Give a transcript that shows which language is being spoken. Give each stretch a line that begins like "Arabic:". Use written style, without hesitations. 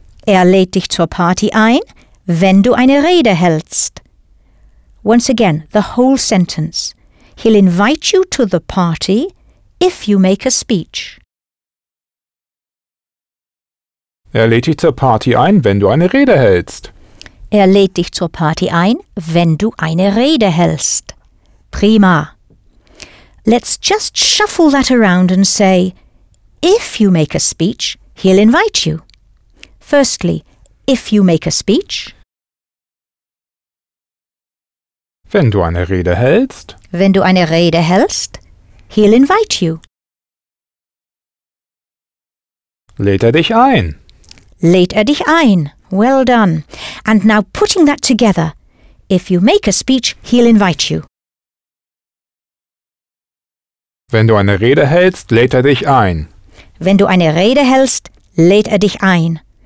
German: Er lädt dich zur Party ein, wenn du eine Rede hältst.
English: Once again, the whole sentence. He'll invite you to the party if you make a speech.
German: Er lädt dich zur Party ein, wenn du eine Rede hältst. Er lädt dich zur Party ein, wenn du eine Rede hältst. Prima.
English: Let's just shuffle that around and say, if you make a speech, he'll invite you. Firstly, if you make a speech.
German: Wenn du eine Rede hältst. Wenn du eine Rede hältst,
English: he'll invite you.
German: Lädt er dich ein. Lädt er dich ein.
English: Well done. And now putting that together. If you make a speech, he'll invite you.
German: Wenn du eine Rede hältst, lädt er dich ein. Wenn du eine Rede hältst, lädt er dich ein.